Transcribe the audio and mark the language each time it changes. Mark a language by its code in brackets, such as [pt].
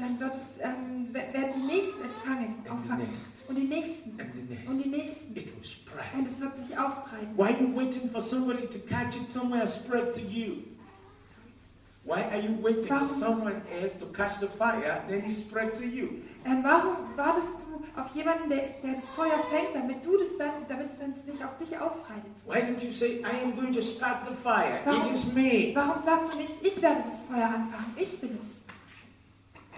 [de] Dann wird es, werden die Nächsten es fangen, auffangen. Und die Nächsten. Und die Nächsten. [en] It will spread. [de] Und es wird sich ausbreiten. [en] Why are you waiting for somebody to catch it somewhere spread to you? Why are you waiting for someone else to catch the fire then it spread to you? [de] Warum wartest du auf jemanden, der das Feuer fängt, damit du das dann, damit es dann nicht auf dich ausbreitet? [en] Why don't you say, I am going to spark the fire? It is me. [de] Warum sagst du nicht, ich werde das Feuer anfangen? Ich bin es.